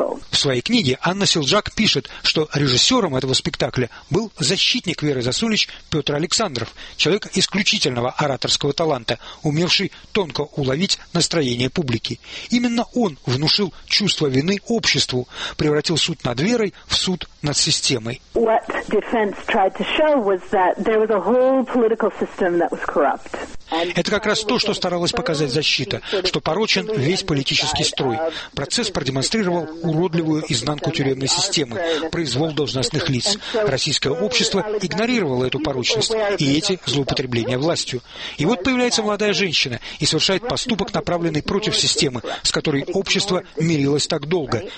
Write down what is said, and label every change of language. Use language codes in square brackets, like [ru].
[ru] В своей книге Анна Силджак пишет, что режиссером этого спектакля был защитник Веры Засулич Петр Александров, человек исключительного ораторского таланта, умевший тонко уловить настроение публики. Именно он внушил чувство вины обществу, превратил суд над Верой в суд над системой. [en] What defense tried to show was that there was a whole political system that was corrupt. [ru] Это как раз то, что старалась показать защита, что порочен весь политический строй. Процесс продемонстрировал уродливую изнанку тюремной системы, произвол должностных лиц. Российское общество игнорировало эту порочность и эти злоупотребления властью. И вот появляется молодая женщина и совершает поступок, направленный против системы, с которой общество мирилось так долго.